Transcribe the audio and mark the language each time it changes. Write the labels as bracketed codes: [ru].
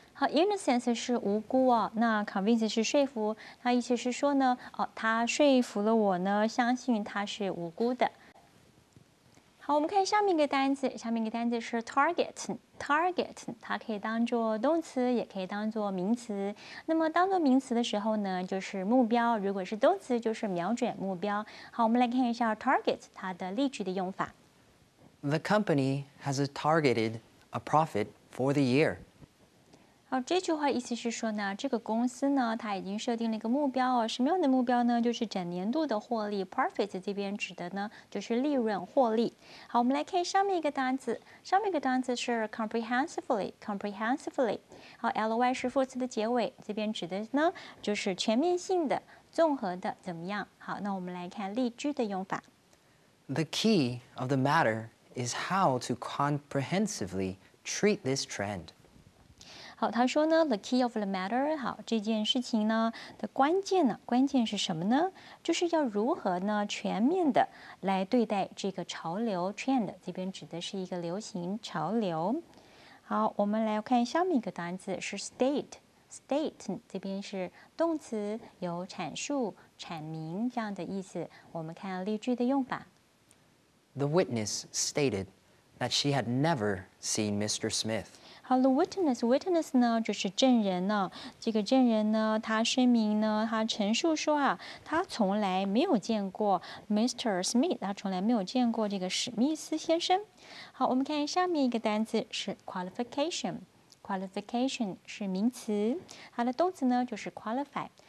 [zh] 好 ，innocence 是无辜哦，那 convince 是说服，他意思是说呢，哦，他说服了我呢，相信他是无辜的。好，我们看下面一个单词，下面一个单词是 target。Target 它可以当作动词，也可以当作名词。那么当作名词的时候呢，就是目标；如果是动词，就是瞄准目标。好，我们来看一下 target 它的例句的用法。 [en] The company has targeted a profit for the year. [zh] 好，这句话意思是说呢，这个公司呢，它已经设定了一个目标哦。什么样的目标呢？就是整年度的获利。Profit 这边指的呢，就是利润、获利。好，我们来看上面一个单词。上面一个单词是 comprehensively。好 ，ly 是副词的结尾，这边指的呢，就是全面性的、综合的，怎么样？好，那我们来看例句的用法。 [en] The key of the matter is how to comprehensively treat this trend. [zh] 好，他说呢 ， [en] the key of the matter， [zh] 好，这件事情呢的关键呢，关键是什么呢？就是要如何呢，全面的来对待这个潮流 trend， 这边指的是一个流行潮流。好，我们来看下面一个单词是 state， 这边是动词，有阐述、阐明这样的意思。我们看例句的用法。 [en] The witness stated that she had never seen Mr. Smith. [zh] 好 ，the witness 呢，就是证人呢。这个证人呢，他声明呢，他陈述说啊，他从来没有见过 Mr. Smith， 他从来没有见过这个史密斯先生。好，我们看下面一个单词是 qualification。 qualification 是名词，它的动词呢就是 qualify。